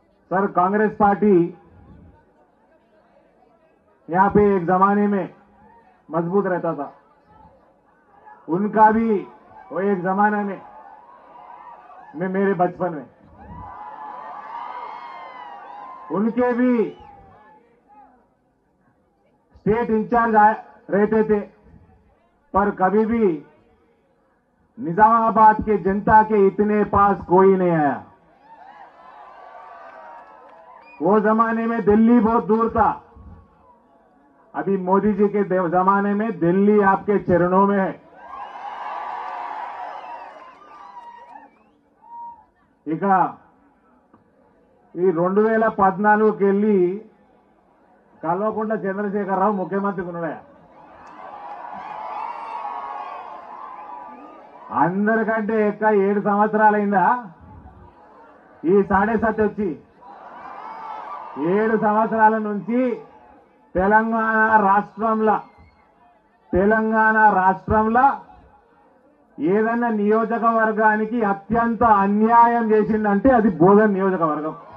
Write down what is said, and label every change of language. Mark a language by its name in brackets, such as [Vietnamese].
[Hindi] Sir Congress party యహాన్ pay ఏక్ జమానే మే మజబూత్ రహతా థా ఉన్కా భీ वो एक जमाना में मैं मेरे बचपन में उनके भी स्टेट इंचार्ज रहते थे पर कभी भी निजामाबाद के जनता के इतने पास कोई नहीं आया। वो जमाने में दिल्ली बहुत दूर था, अभी मोदी जी के जमाने में दिल्ली आपके चरणों में है। [Telugu] ఇక ఈ 2014 కి వెళ్ళి కల్వకుంట చంద్రశేఖరరావు ముఖ్యమంత్రి ఉన్నాడయ్యా, అందరికంటే ఎక్క 7 సంవత్సరాలు అయిందా ఈ సాడే సత్తి వచ్చి, 7 సంవత్సరాల నుంచి తెలంగాణ రాష్ట్రంలో ఏదైనా నియోజకవర్గానికి అత్యంత అన్యాయం చేసిందంటే అది బోధన్ నియోజకవర్గం.